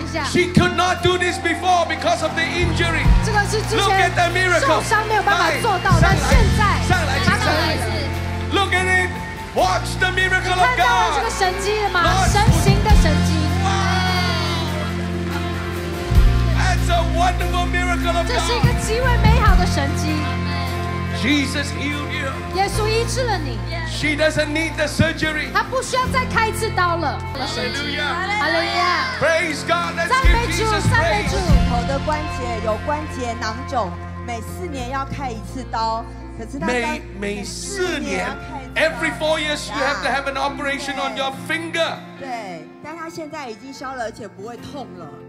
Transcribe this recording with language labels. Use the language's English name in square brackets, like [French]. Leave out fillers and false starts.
[English] She could not do this before because of the injury. Look at the miracle. [Chinese] 受伤没有办法做到，但现在上来，上来。 [English] Look at it. Watch the miracle of God. [Chinese] 看到了这个神迹了吗？神行的神迹。 [English] Wow. That's a wonderful miracle of God. [Chinese] 这是一个极为美好的神迹。 [English] Jesus healed you. [Chinese] 耶稣医治了你。 [English] She doesn't need the surgery. [Chinese] 她不需要再开一次刀了。Hallelujah. [English] Praise God. Let's give Jesus praise. [Chinese] 口的关节有关节囊肿，每四年要开一次刀。可是她每四年 [English] ，every 4 years you have to have an operation on your finger. [Chinese] 对，但她现在已经消了，而且不会痛了。